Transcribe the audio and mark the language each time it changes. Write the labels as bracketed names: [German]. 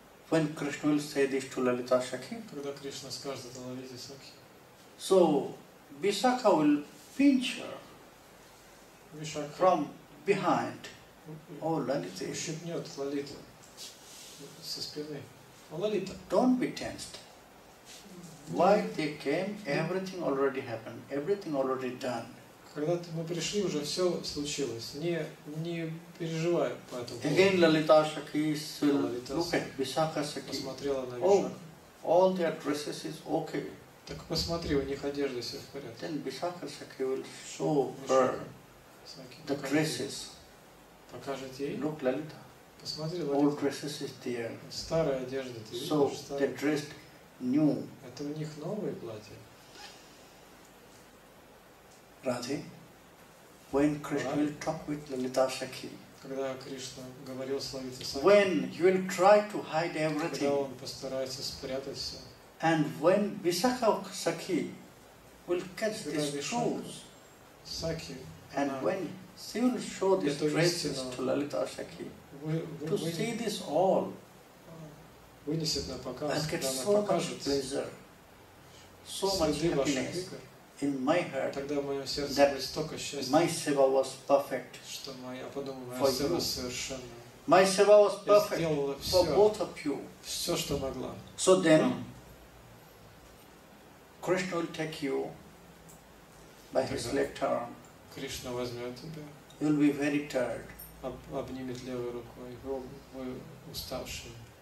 [English] When Krishna will say this to Lalita Sakhi, [Russian] когда Кришна скажет это Лалите Сакхи, [English] so Vishakha will pinch her from behind. Oh, Lalita, [Russian] ущипнет Лалиту со спины. [English] Oh, Lalita, don't be tensed. Why they came? Everything already happened. Everything already done. [Russian] Когда мы пришли, уже все случилось. Не переживай по этому поводу. [English] Again, [Russian] Lalita Sakhi посмотрела на Vishakha. [English] All their dresses is okay. [Russian] Так посмотри, у них одежда все в порядке. [English] Then Vishakha Sakhi will show her the dresses. [Russian] Покажет ей. [English] Look, Lalita. [Russian] Посмотри, Lalita. [English] All dresses is there. [Russian] Старая одежда, ты видишь? [English] So they dressed new. [Russian] Это у них новые платья. [English] Radhe, when Krishna will talk with Lalita Sakhi, [Russian] когда Кришна говорил с Лалитой Сакхи, [English] when you will try to hide everything, [Russian] когда он постарается спрятать все, [English] and when Vishakha Sakhi will catch this truth, Sakhi, and when she will show this dresses to Lalita Sakhi, to see this all, [Russian] вынесет на показ, [English] and get so much pleasure, so much happiness. In my heart, [Russian] тогда в моем сердце было столько счастья, [English] my seva was perfect, [Russian] что моя, подумаю, seva совершенно. [English] My seva was perfect for both of you. [Russian] Все, что могла. [English] So then, Krishna will take you by his left arm. [Russian] Кришна возьмет тебя. [English] You'll be very tired. [Russian] Обнимет левой рукой. Вы уставшие.